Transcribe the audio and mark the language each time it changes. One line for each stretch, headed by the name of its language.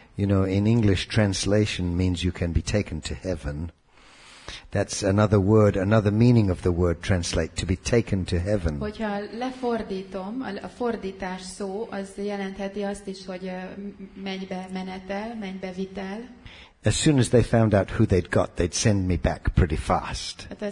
English: You know, in English, translation means you can be taken to heaven. That's another word, another meaning of the word translate, to be taken to heaven.
Hungarian: Hogyha lefordítom, a fordítás szó, az jelentheti azt is, hogy mennybe menetel, mennybe vitel.
English: As soon as they found out who they'd got, they'd send me back pretty fast.